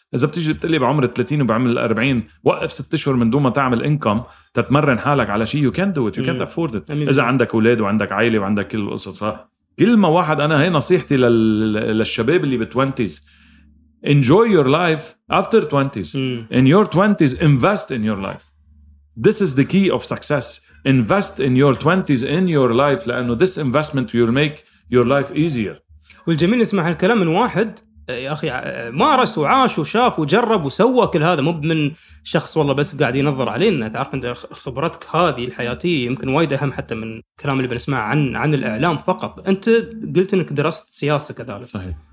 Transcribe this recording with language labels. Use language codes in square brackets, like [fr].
[ar] اذا بتيجي بتقلي بعمر 30 وبعمل 40 وقف 6 اشهر من دون ما تعمل انكم تتمرن حالك على شيء، [en] you can't afford it [ar] اذا عندك اولاد وعندك عائلة وعندك كل القصص. فكل ما واحد، انا هي نصيحتي للشباب اللي بتوينتيز، [en] enjoy your life after 20s. In your 20s invest in your life. This is the key of success. Invest in your 20s, in your life, لأنه this investment will make your life easier. [ar] والجميل نسمع هالكلام من واحد يا أخي مارس وعاش وشاف وجرب وسوى كل هذا، مو من شخص والله بس قاعد ينظر علينا. تعرف أنت خبرتك هذه الحياتية يمكن وايد أهم حتى من كلام اللي بنسمع عن الإعلام فقط. أنت قلت أنك درست سياسة كذلك.